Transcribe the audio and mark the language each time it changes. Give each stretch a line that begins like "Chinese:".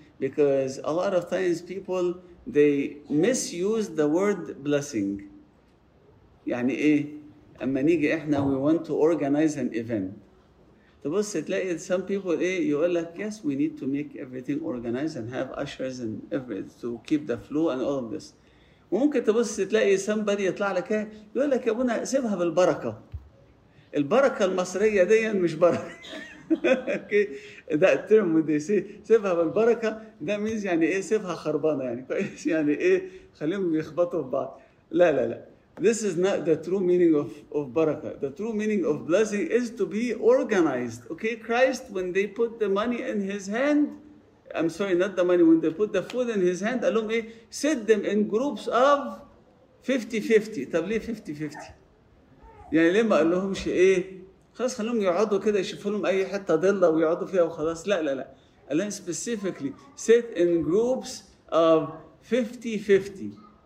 English: Because a lot of times people, they misuse the word blessing.
Arabic: يعني ايه؟ أما نيجي إحنا,
English: we want to organize an event.
Arabic: تبص تلاقي
English: some people,
Arabic: ايه؟ يقول لك,
English: yes, we need to make everything organized and have ushers and everything to keep the flow and all of this.
Arabic: وممكن تبص تلاقي
English: somebody
Arabic: يطلع لك ايه؟ يقول لك يا ابونا سيبها بالبركة. البركة المصرية دي مش بركة.
English: Okay, that term when they say
Arabic: سيبها بالبركة,
English: that means
Arabic: يعني ايه سيبها خربانة يعني كويس يعني ايه خليهم يخبطوا في بعض. لا لا لا,
English: this is not the true meaning of بركة. The true meaning of blessing is to be organized. Okay, Christ, when they put the money in his hand, I'm sorry, not the money, when they put the food in his hand,
Arabic: قالهم ايه,
English: sit them in groups of 50-50.
Arabic: طب ليه 50-50؟ يعني ليه ما قال لهمش ايه خلاص خلوهم يقعدوا كده يشوفوا لهم اي حته ضله ويقعدوا فيها وخلاص؟ لا لا لا, قال لهم
English: specifically sit in groups of 50-50.